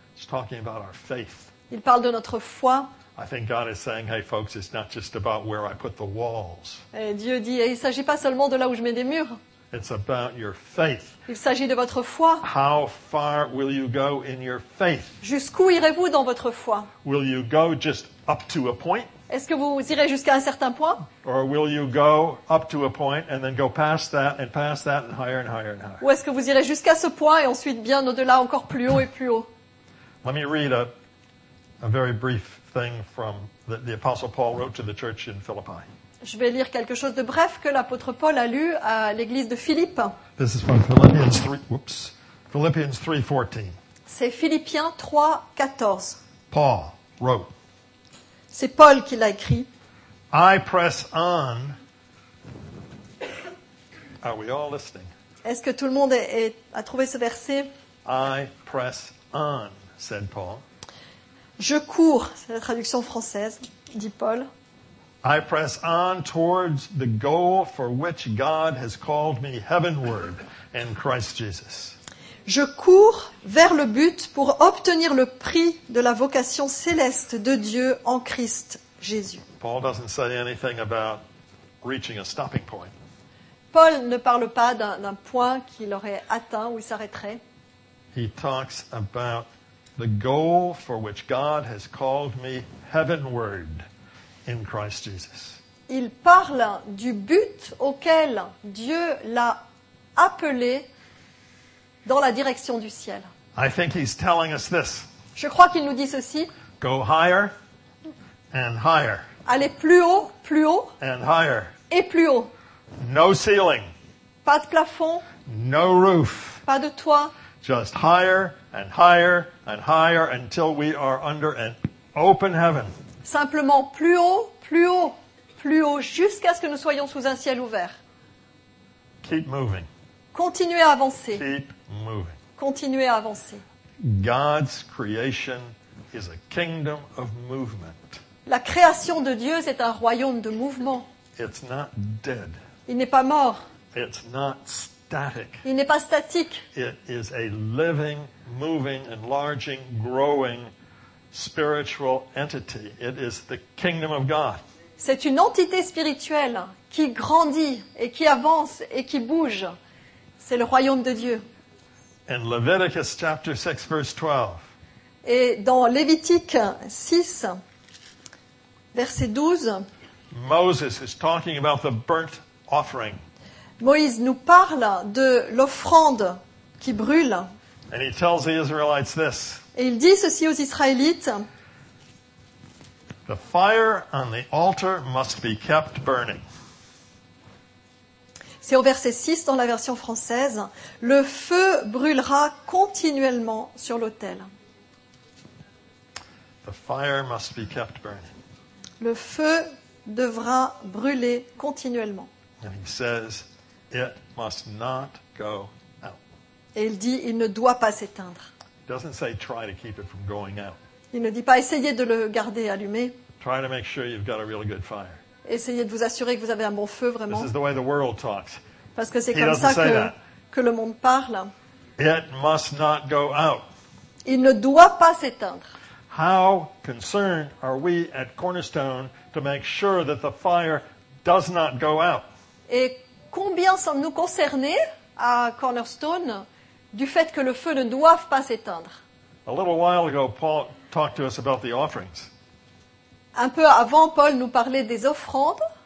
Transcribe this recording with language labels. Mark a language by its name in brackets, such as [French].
[English] It's talking about our faith. [French] Il parle de notre foi. [English] I think God is saying, hey folks, it's not just about where I put the walls. [French] Et Dieu dit, il ne s'agit pas seulement de là où je mets des murs. [English] It's about your faith. [French] Il s'agit de votre foi. [English] How far will you go in your faith? [French] Jusqu'où irez-vous dans votre foi? [English] Will you go just up to a point? [French] Est-ce que vous irez jusqu'à un certain point? [English] Or will you go up to a point and then go past that and past that and higher and higher and higher? [French] Ou est-ce que vous irez jusqu'à ce point et ensuite bien au-delà, encore plus haut et plus haut? [English] Let me read a very brief thing from the Apostle Paul wrote to the church in Philippi. [French] Je vais lire quelque chose de bref que l'apôtre Paul a lu à l'église de Philippe. [English] This is from Philippians 3, whoops. Philippians 3, 14. [French] C'est Philippiens 3, 14. [English] Paul wrote. [French] C'est Paul qui l'a écrit. [English] I press on. Are we all listening? [French] Est-ce que tout le monde a trouvé ce verset? [English] I press on, said Paul. [French] Je cours, c'est la traduction française, dit Paul. [English] I press on towards the goal for which God has called me heavenward in Christ Jesus. [French] Je cours vers le but pour obtenir le prix de la vocation céleste de Dieu en Christ Jésus. [English] Paul doesn't say anything about reaching a stopping point. [French] Paul ne parle pas d'un point qu'il aurait atteint ou il s'arrêterait. [English] He talks about the goal for which God has called me heavenward. In Christ Jesus. [French] Il parle du but auquel Dieu l'a appelé dans la direction du ciel. [English] I think he's telling us this. [French] Je crois qu'il nous dit ceci. [English] Go higher and higher. [French] Allez plus haut [English] and higher. [French] Et plus haut. [English] No ceiling. [French] Pas de plafond. [English] No roof. [French] Pas de toit. [English] Just higher and higher and higher until we are under an open heaven. [French] Simplement plus haut, plus haut, plus haut, jusqu'à ce que nous soyons sous un ciel ouvert. [English] Keep moving. [French] Continuez à avancer. [English] Keep moving. [French] Continuez à avancer. [English] God's creation is a kingdom of movement. [French] La création de Dieu, c'est un royaume de mouvement. [English] It's not dead. [French] Il n'est pas mort. [English] It's not static. [French] Il n'est pas statique. [English] It is a living, moving, enlarging, growing spiritual entity. It is the kingdom of God. [French] C'est une entité spirituelle qui grandit et qui avance et qui bouge. C'est le royaume de Dieu. [English] In Leviticus chapter 6 verse 12. [French] Et dans Lévitique 6 verset 12. [English] Moses is talking about the burnt offering. [French] Moïse nous parle de l'offrande qui brûle. [English] And he tells the Israelites this. [French] Et il dit ceci aux Israélites. [English] The fire on the altar must be kept burning. [French] C'est au verset 6 dans la version française. Le feu brûlera continuellement sur l'autel. [English] The fire must be kept burning. [French] Le feu devra brûler continuellement. [English] And he says, it must not go out. [French] Et il dit, il ne doit pas s'éteindre. [English] Doesn't say try to keep it from going out. [French] Il ne dit pas essayez de le garder allumé. [English] Try to make sure you've got a really good fire. [French] Essayez de vous assurer que vous avez un bon feu vraiment. [English] This is the way the world talks. [French] Parce que c'est comme ça que le monde parle. [English] It must not go out. [French] Il ne doit pas s'éteindre. [English] How concerned are we at Cornerstone to make sure that the fire does not go out? [French] Et combien sommes-nous concernés à Cornerstone du fait que le feu ne doive pas s'éteindre. [English] A little while ago, Paul talked to us about the offerings. [French] Un peu avant, Paul nous parlait des offrandes.